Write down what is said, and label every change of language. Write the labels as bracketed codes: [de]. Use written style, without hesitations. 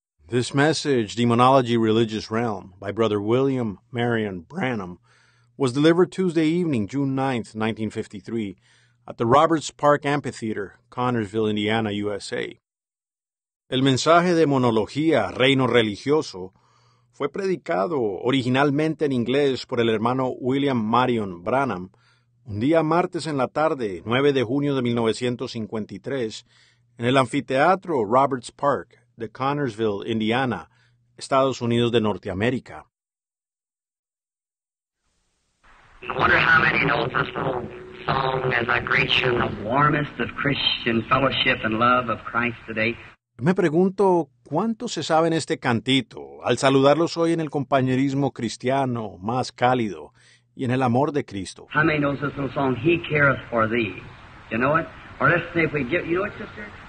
[en] This message, Demonology Religious Realm, by Brother William Marion Branham, was delivered Tuesday evening, June 9, 1953, at the Roberts Park Amphitheater, Connersville, Indiana, USA. [es] El mensaje de Demonología, Reino Religioso, fue predicado originalmente en inglés por el hermano William Marion Branham un día martes en la tarde, 9 de junio de 1953, en el anfiteatro Roberts Park, de Connersville, Indiana, Estados Unidos de Norteamérica. [en] I wonder how many know this little song as a great show, the warmest of Christian fellowship and love of Christ today. [es] Me pregunto, ¿cuántos se saben este cantito al saludarlos hoy en el compañerismo cristiano más cálido y en el amor de Cristo? [en] How many know this little song, He careth for thee? You know it? Or let's say if we get, you know it, sister?